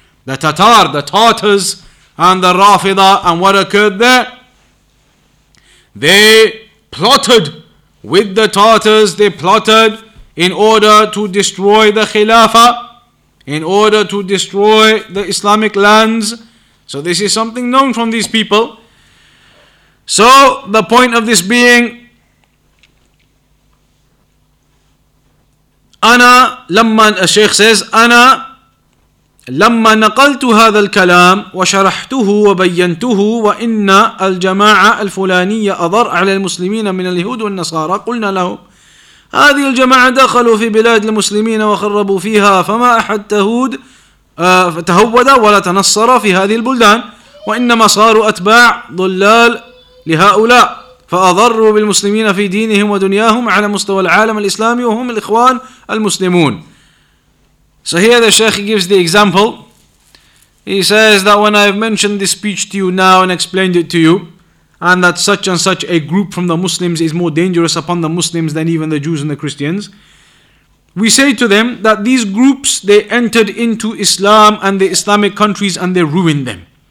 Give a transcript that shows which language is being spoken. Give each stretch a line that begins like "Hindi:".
English: The Tatar, the Tatars, and the Rafida, and what occurred there? They plotted with the Tatars, they plotted in order to destroy the Khilafah, in order to destroy the Islamic lands. So this is something known from these people. So the point of this being,
Arabic: Ana Lamman,
English: a Sheikh says,
Arabic: Ana لما نقلت هذا الكلام وشرحته وبينته وإن الجماعة الفلانية أضر على المسلمين من اليهود والنصارى قلنا لهم هذه الجماعة دخلوا في بلاد المسلمين وخربوا فيها فما أحد تهود تهود ولا تنصر في هذه البلدان وإنما صاروا أتباع ضلال لهؤلاء فأضروا بالمسلمين في دينهم ودنياهم على مستوى العالم الإسلامي وهم الإخوان المسلمون.
English: So here the Sheikh gives the example. He says that when I've mentioned this speech to you now and explained it to you, and that such and such a group from the Muslims is more dangerous upon the Muslims than even the Jews and the Christians, we say to them that these groups, they entered into Islam and the Islamic countries and they ruined them.